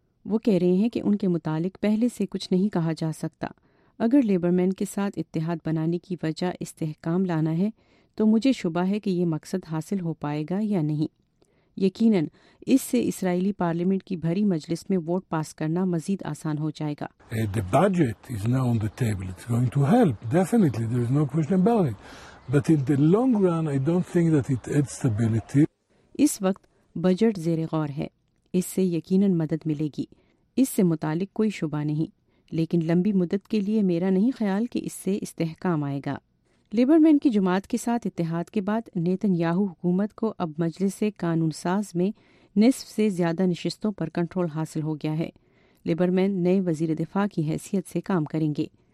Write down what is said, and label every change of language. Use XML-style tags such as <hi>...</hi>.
<ur>وہ کہہ رہے ہیں کہ ان کے متعلق پہلے سے کچھ نہیں کہا جا سکتا۔ اگر لیبرمین کے ساتھ اتحاد بنانے کی وجہ استحکام لانا ہے تو مجھے شبہ ہے کہ یہ مقصد حاصل ہو پائے گا یا نہیں۔ یقیناً اس سے اسرائیلی پارلیمنٹ کی بھری مجلس میں ووٹ پاس کرنا مزید آسان ہو جائے گا۔</ur> <en>The budget is now on the table. It's going to help. Definitely, there is no question about it. But in the long run, I don't think that it adds stability.</en> <ur>اس وقت budget زیر غور ہے، اس سے یقیناً مدد ملے گی، اس سے متعلق کوئی شبہ نہیں، لیکن لمبی مدت کے لیے میرا نہیں خیال کہ اس سے استحکام آئے گا۔ لیبرمین کی جماعت کے ساتھ اتحاد کے بعد نیتن یاہو حکومت کو اب مجلس قانون ساز میں نصف سے زیادہ نشستوں پر کنٹرول حاصل ہو گیا ہے۔ لیبرمین نئے وزیر دفاع کی حیثیت سے کام کریں گے۔</ur>